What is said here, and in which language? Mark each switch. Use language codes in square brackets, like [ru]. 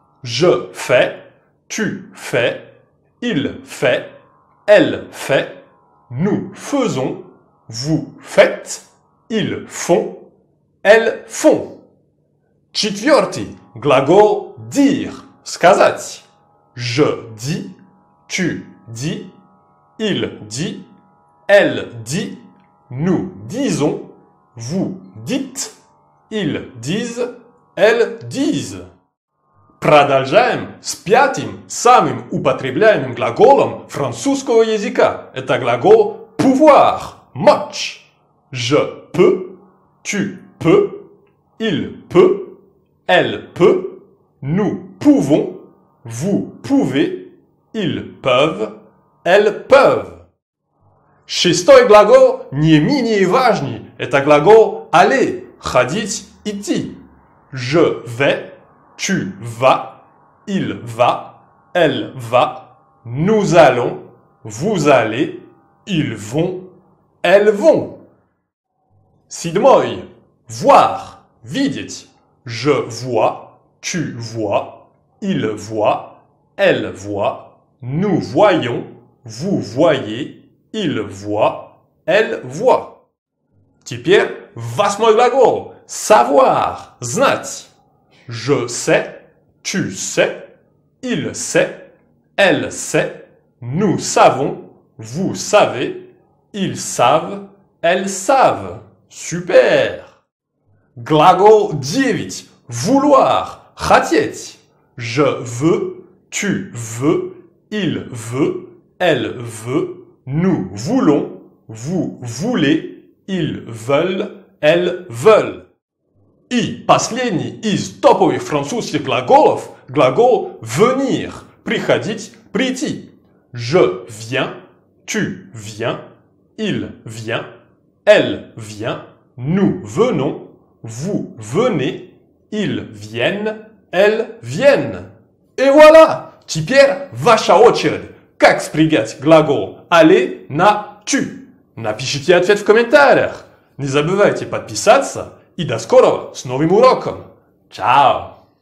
[fr] «Je fais», «tu fais», «il fait», «elle fait», «nous faisons», «vous faites», «ils font», «elles font». [ru] Четвертый глагол «dire» – «сказать». [fr] Je dis, tu dis, il dit, elle dit, nous disons, vous dites, ils disent, elles disent. [ru] Продолжаем с пятым, самым употребляемым глаголом французского языка. Это глагол [fr] pouvoir, moche. Je peux, tu peux, il peut, elle peut, nous pouvons. Vous pouvez, ils peuvent, elles peuvent. [ru] Шестой глагол не менее важный. Это глагол aller, ходить, идти. [fr] Je vais, tu vas, il va, elle va, nous allons, vous allez, ils vont, elles vont. [ru] Седьмой, voir, видеть. [fr] Je vois, tu vois. Il voit, elle voit, nous voyons, vous voyez, il voit, elle voit. [ru] Теперь восьмой глагол. [fr] Savoir, знать. Je sais, tu sais, il sait, elle sait, nous savons, vous savez, ils savent, elles savent. [ru] Super! Глагол девять. [fr] Vouloir, хотеть. Je veux, tu veux, il veut, elle veut, nous voulons, vous voulez, ils veulent, elles veulent. [ru] И последний из топовых французских глаголов – глагол «venir» – «приходить», «прийти». [fr] Je viens, tu viens, il vient, elle vient, nous venons, vous venez, ils viennent. Elles viennent. Et voilà! [ru] Теперь ваша очередь. Как спрягать глагол «aller» на «tu»? Напишите ответ в комментариях. Не забывайте подписаться. И до скорого с новым уроком. Чао!